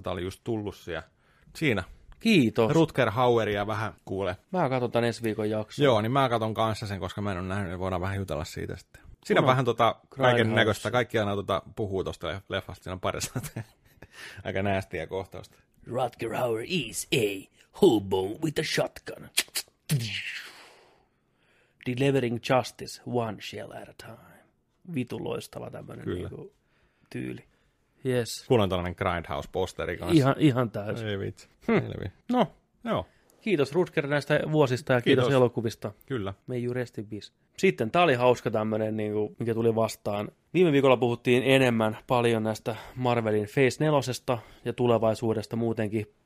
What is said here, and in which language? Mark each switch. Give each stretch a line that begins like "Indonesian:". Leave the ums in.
Finnish: Tämä oli just tullut siellä. Siinä. Kiitos. Rutger Haueria vähän kuule. Mä katson tän ensi viikon jakson. Joo, niin mä katson kanssa sen, koska mä en ole nähnyt, niin voidaan vähän jutella siitä sitten. Siinä on vähän tota kaiken näköistä. Kaikki aina tota, puhuu tosta leffasta, siinä on pari Aika näästiä kohtausta.
English: Rutger Hauer is a hobo with a shotgun. Delivering justice one shell at a time.
Finnish: Vitu loistava tämmönen niinku tyyli.
English: Yes.
Finnish: Kuulen tällainen Grindhouse-posteri kanssa. Ihan, ihan täysin. No, ei vitsi. Hm. No, joo. Kiitos Rutger näistä vuosista ja kiitos, kiitos elokuvista. Kyllä. Me ei bis. Sitten tämä oli hauska tämmöinen, niin kuin, mikä tuli vastaan. Viime viikolla puhuttiin enemmän paljon näistä Marvelin Face 4 ja tulevaisuudesta muutenkin.